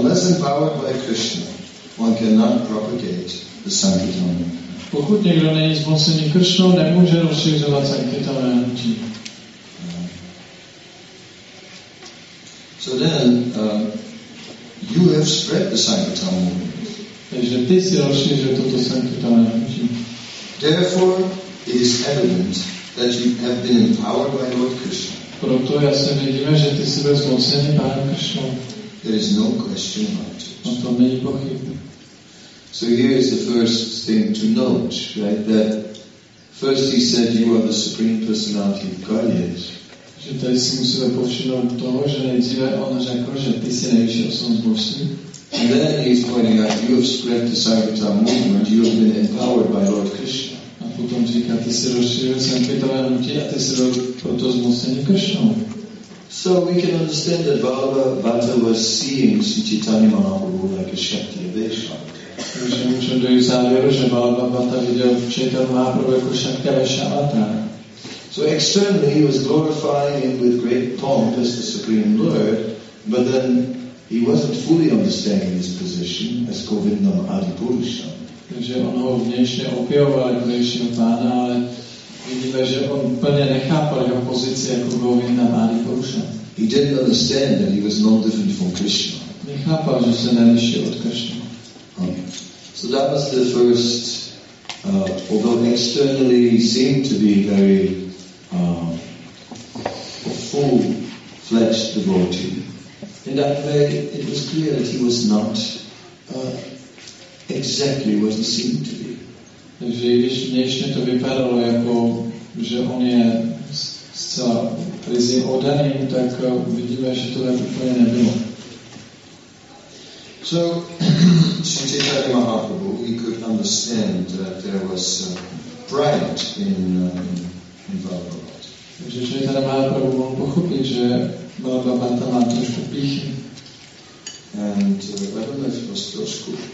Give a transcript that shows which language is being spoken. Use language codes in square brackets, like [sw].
[en] Unless empowered by Krishna, one cannot propagate the Sankirtan. [cs] Pokud někdo není zmocněný Krishnou, nemůže rozšiřovat Sankirtana. [en] So then, you have spread the Sankirtan movement. Therefore, it is evident that you have been empowered by Lord Krishna. [cs] Proto jasně vidíme, že ty jsi byl zmocněný Pánem Krishnou. [en] There is no question about it. [cs] O tom není pochybný. [en] So here is the first thing to note, right? That first he said you are the supreme personality of Godhead. [cs] Že tady si musíme povšimnout toho, že nejdříve on řekl, že ty jsi nejvyšší osobnost božství. [en] And then he is pointing out you have spread the Sankirtan movement, you have been empowered by Lord Krishna. [cs] A potom říká, ty jsi rozšířil Sankirtan hnutí a ty jsi byl proto zmocněný Krishnou. [en] So we can understand that Bhagavata was seeing Sri Chaitanya Mahaprabhu like a Shakti Aveshavatara. [cs] Takže můžeme dojít závěru, že Bhagavata viděl Chaitanya Mahaprabhu jako Shakti Aveshavatara. [en] So externally he was glorifying him with great pomp as the Supreme Lord, but then he wasn't fully understanding his position as Govindam Adipurusha. [cs] Takže on ho vnějšně opěvoval jako vnějšího pána, ale vidíme, že on úplně nechápal jeho pozici jako Govinda Adipurusha. [en] He didn't understand that he was no different from Krishna. [cs] Nechápal, že se neliší od Krishna. [en] Okay. So that was the first, although externally he seemed to be very full-fledged devotee. In that way, it was clear that he was not exactly what he seemed to be. [cs] Takže když vnějšně to vypadalo jako, že on je zcela ryzy odaný, tak vidíme, že to úplně nebylo. [en] So, Sri Chaitanya Mahaprabhu, he could understand that there was pride in Bhagavad. [cs] Takže člověk teda má pravdu, on pochopí, že Bhagavata má trošku píchy. [en] And I don't know if it was trošku.